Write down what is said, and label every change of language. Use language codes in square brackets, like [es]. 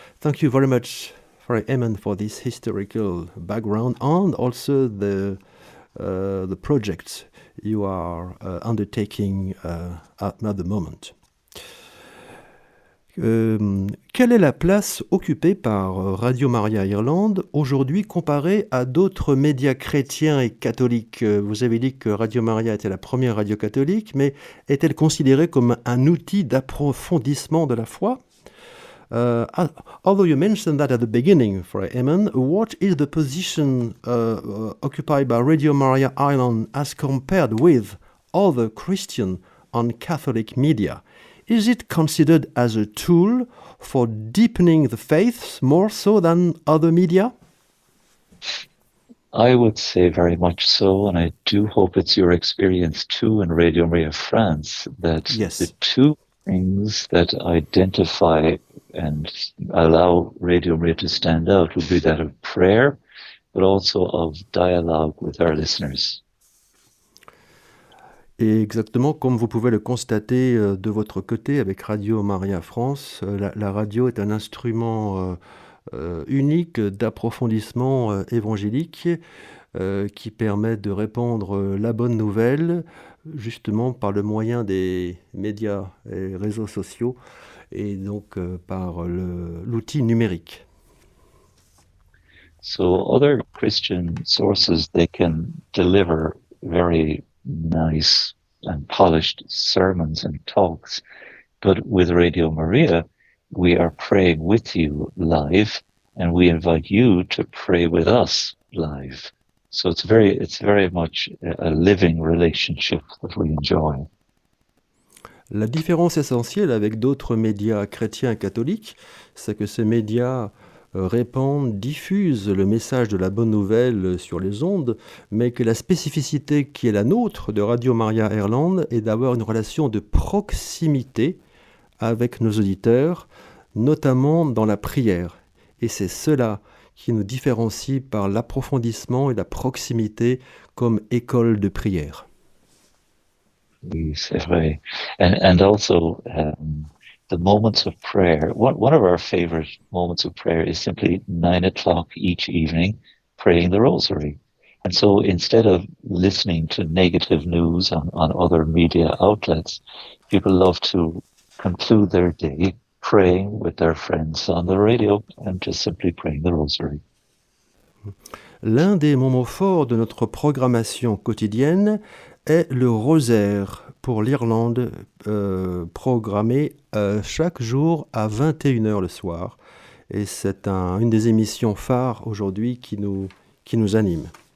[en] Thank you very much, Father Aymond, for this historical background and also the project you are undertaking at the moment. [fr] Quelle est la place occupée par Radio Maria Irlande aujourd'hui comparée à d'autres médias chrétiens et catholiques? Vous avez dit que Radio Maria était la première radio catholique, mais est-elle considérée comme un outil d'approfondissement de la foi? [en] Although you mentioned that at the beginning, Frère Eamon, what is the position occupied by Radio Maria Ireland as compared with other Christian and Catholic media? Is it considered as a tool for deepening the faith more so than other media? I would say very much so, and I do hope it's your experience too in Radio Maria France, that yes, the two things that identify and allow Radio Maria to stand out would be that of prayer, but also of dialogue with our listeners. [fr] Et exactement comme vous pouvez le constater de votre côté avec Radio Maria France, la radio est un instrument unique d'approfondissement évangélique qui permet de répandre la bonne nouvelle justement par le moyen des médias et réseaux sociaux et donc par l'outil numérique. [en] So other Christian sources, they can deliver very nice and polished sermons and talks, but with Radio Maria we are praying with you live, and we invite you to pray with us live. So it's very much a living relationship that we enjoy. [fr] La différence essentielle avec d'autres médias chrétiens et catholiques, c'est que ces médias répandent, diffusent le message de la bonne nouvelle sur les ondes, mais que la spécificité qui est la nôtre de Radio Maria Irlande est d'avoir une relation de proximité avec nos auditeurs, notamment dans la prière. Et c'est cela qui nous différencie par l'approfondissement et la proximité comme école de prière. Oui, c'est vrai. [en] And also, the moments of prayer. One of our favorite moments of prayer is simply 9 o'clock each evening praying the rosary. And so instead of listening to negative news on other media outlets, people love to conclude their day praying with their friends on the radio and just simply praying the rosary. [fr] L'un des moments forts de notre programmation quotidienne est le rosaire pour l'Irlande, programmé chaque jour à 21h le soir. Et c'est une des émissions phares aujourd'hui qui nous anime.